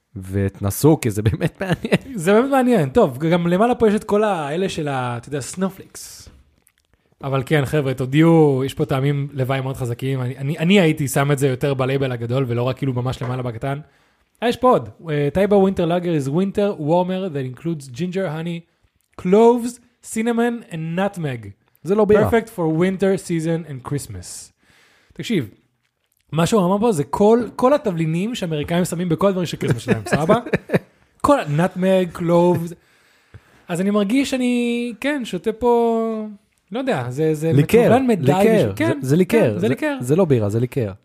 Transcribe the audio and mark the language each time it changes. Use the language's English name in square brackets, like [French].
[Hebrew] ותנסו, כי זה באמת מעניין. זה באמת מעניין. טוב, גם למעלה פה יש את כל האלה של ה... אתה יודע, סנופליקס. אבל כן, חבר'ה, תודיעו, יש פה טעמים לוואי מאוד חזקים. אני הייתי שם את זה יותר בלייבל הגדול, ולא רק כאילו ממש למעלה בקטן. יש פה עוד. [English] טייבה ווינטר לאגר is winter warmer that includes ginger, honey, cloves, cinnamon and nutmeg. [Hebrew] זה לא בירה. [English] Perfect for winter season and Christmas. [Hebrew] תקשיב. מה שהוא אמר פה זה כל התבלינים שאמריקאים שמים בכל דברים של קריסמס שלהם, סבא? כל נאטמג, קלובס. אז אני מרגיש שאני, כן, שותה פה, לא יודע, זה מטובלן מדי. ליקר, זה ליקר. זה ליקר. זה לא בירה, זה ליקר.